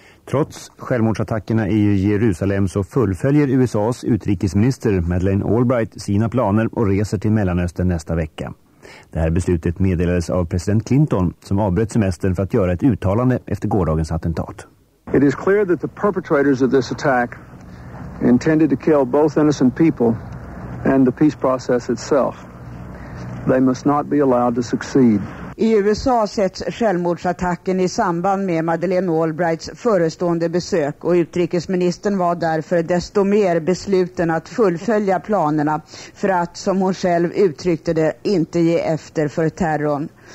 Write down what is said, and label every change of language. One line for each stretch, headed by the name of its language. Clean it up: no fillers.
Swedish: Trots självmordsattackerna i Jerusalem så fullföljer USAs utrikesminister Madeleine Albright sina planer och reser till Mellanöstern nästa vecka. Det här beslutet meddelades av president Clinton som avbröt semestern för att göra ett uttalande efter gårdagens attentat.
English: It is clear that the perpetrators of this attack intended to kill both innocent people and the peace process itself. They must not be allowed to succeed.
Swedish: I USA sätts självmordsattacken i samband med Madeleine Albrights förestående besök och utrikesministern var därför desto mer besluten att fullfölja planerna för att, som hon själv uttryckte det, inte ge efter för terrorn.